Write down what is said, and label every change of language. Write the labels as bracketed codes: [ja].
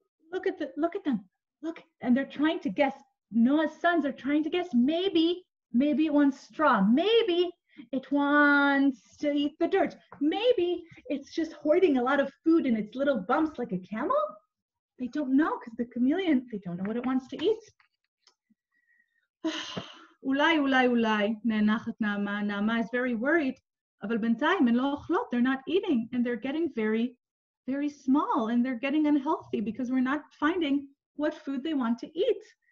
[en] Look at them. Look, and they're trying to guess. Noah's sons are trying to guess. Maybe it wants straw. Maybe it wants to eat the dirt. Maybe it's just hoarding a lot of food in its little bumps like a camel. They don't know because the chameleon, they don't know what it wants to eat. [he] אולי, אולי, אולי, נאנחת נעמה. נעמה [en] is very worried. [he] אבל בינתיים, הן לא אוכלות, [en] they're not eating. And they're getting very, very small. And they're getting unhealthy because we're not finding what food they want to eat.